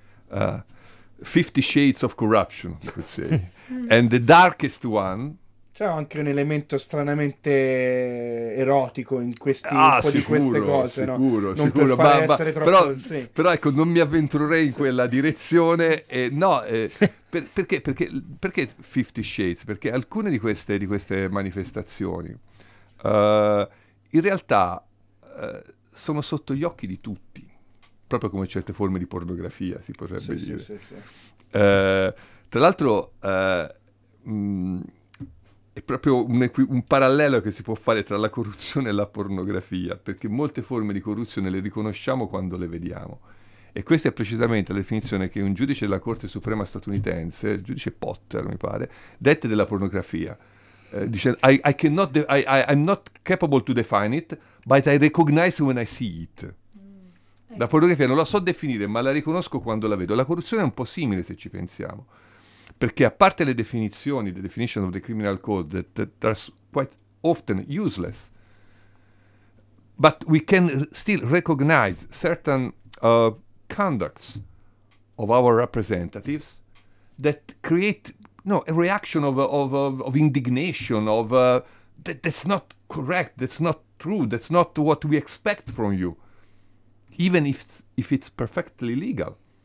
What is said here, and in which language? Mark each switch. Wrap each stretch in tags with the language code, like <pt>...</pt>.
<en>50 shades of corruption, you could say. And the darkest one.</en> <it>C'è anche un elemento stranamente erotico in questi queste cose, sicuro, no? non per fare essere troppo, però, sì. Però ecco, non mi avventurerei in quella direzione. Perché 50 Shades? Perché alcune di queste manifestazioni in realtà sono sotto gli occhi di tutti, proprio come certe forme di pornografia, si potrebbe dire. Sì. Tra l'altro, è proprio un parallelo che si può fare tra la corruzione e la pornografia, perché molte forme di corruzione le riconosciamo quando le vediamo. E questa è precisamente la definizione che un giudice della Corte Suprema statunitense, il giudice Potter, mi pare, dette della pornografia.</it> <en>Dice, I'm not capable to define it, but I recognize when I see it.</en> <it>La pornografia non la so definire, ma la riconosco quando la vedo. La corruzione è un po' simile, se ci pensiamo. Perché a parte le definizioni,</it> <en>the definition of the criminal code, that are quite often useless, but we can still recognize certain conducts of our representatives that create a reaction of indignation, that's not correct, that's not true, that's not what we expect from you, even if it's perfectly legal.</en>